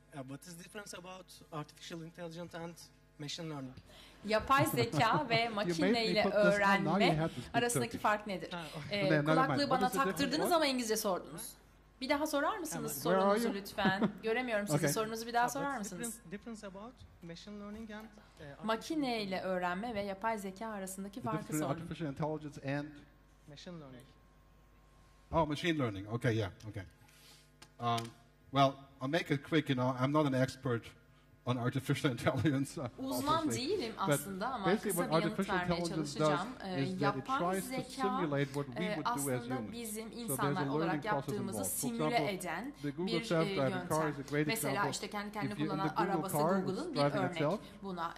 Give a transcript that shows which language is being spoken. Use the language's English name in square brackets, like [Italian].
[English] What is the difference about artificial intelligence and machine learning? [Turkish] Yapay zeka ve makineyle öğrenme arasındaki fark nedir? Kulaklığı bana taktırdınız ama İngilizce sordunuz. Bir daha sorar mısınız sorunuzu lütfen? Göremiyorum sizi. Sorunuzu bir daha sorar mısınız? [English] Difference about machine learning and [Turkish] makineyle öğrenme ve yapay zeka arasındaki farkı sorun. [English] Artificial intelligence and machine learning. Oh, machine learning. Okay, yeah, okay. Well, I'll make it quick, you know, I'm not an expert on artificial intelligence. [Turkish] Uzman değilim aslında ama kısa bir yanıt vermeye çalışacağım. Yapay zeka aslında bizim insanlar olarak yaptığımızı simüle eden bir yöntem. Mesela işte kendi kendine kullanan arabası Google'ın bir örnek buna.